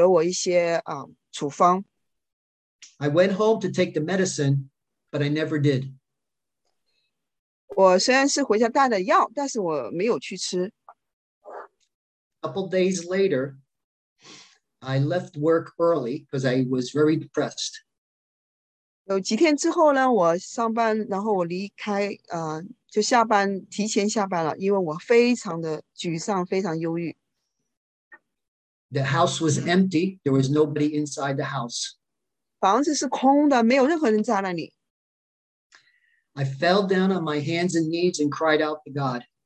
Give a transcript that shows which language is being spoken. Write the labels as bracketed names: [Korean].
[Chinese] 然后我们交流了一个小时，然后他给了我一些处方。 [English] I went home to take the medicine, but I never did. [Chinese] 我虽然是回家带了药，但是我没有去吃。 [English] A couple days later, I left work early because I was very depressed. [Chinese] 有几天之后呢，我上班，然后我离开，就下班，提前下班了，因为我非常的沮丧，非常忧郁。 [English] The house was empty. There was nobody inside the house. [Chinese] 房子是空的，没有任何人在那里。 [English] I fell down on my hands and knees and cried out to God.